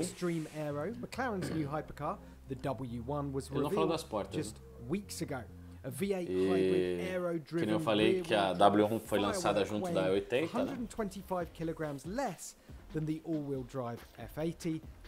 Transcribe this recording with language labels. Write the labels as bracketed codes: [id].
[en] Extreme Aero, McLaren's new hypercar, the W1 was revealed just weeks ago. A V8 hybrid aero driven. [pt] Que eu falei que a W1 foi lançada junto da E80, [en] 125 kg less than the all-wheel drive F80.